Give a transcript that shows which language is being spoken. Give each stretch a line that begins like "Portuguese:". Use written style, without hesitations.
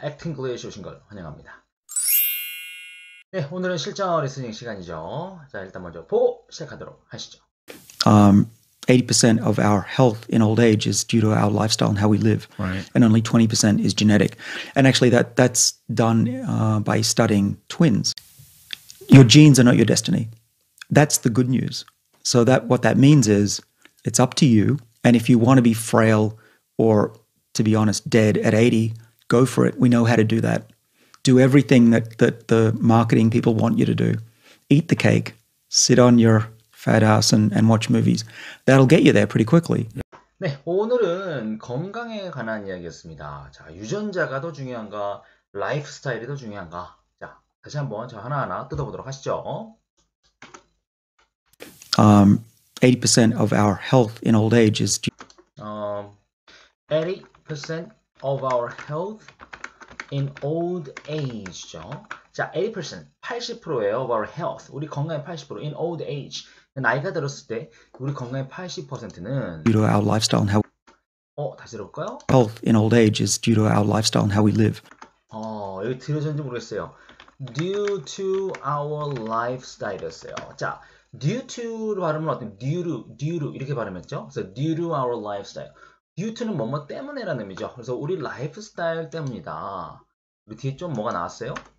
Korean: 액팅글리시 오신 걸 환영합니다. 네, 오늘은 실전 리스닝 시간이죠. 자, 일단 먼저 보고 시작하도록 하시죠.
English: 80% of our health in old age is due to our lifestyle and how we live, Right. and only 20% is genetic. And actually, that's done by studying twins. Your genes are not your destiny. That's the good news. So that what that means is it's up to you, and if you want to be frail or, to be honest, dead at 80, go for it. We know how to do that. Do everything that the marketing people want you to do. Eat the cake, sit on your fat ass and watch movies. That'll get you there pretty quickly.
Korean: 네, 오늘은 건강에 관한 이야기였습니다. 자, 유전자가 더 중요한가? 라이프 스타일이 더 중요한가? 자, 다시 한번 저 하나하나 뜯어보도록 하시죠.
English: 80% of our health in old age is due 80% of our health in old age죠. 자, 80%, 80%예요, of our health.
Korean: 우리 건강의
English: 80% in old age.
Korean: 나이가 들었을 때 우리 건강의 80%는
English: due to our lifestyle and how
Korean: 다시 들어볼까요?
English: health in old age is due to our lifestyle and how we live.
Korean: 여기 들어졌는지 모르겠어요.
English: Due to our lifestyle였어요.
Korean: 자, due to로 발음은 어때요?
English: due to
Korean: 이렇게 발음했죠? 그래서
English: due to our lifestyle.
Korean: due to는 뭐뭐 때문에라는 의미죠. 그래서 우리 lifestyle 때문이다. 우리 뒤에 좀 뭐가 나왔어요?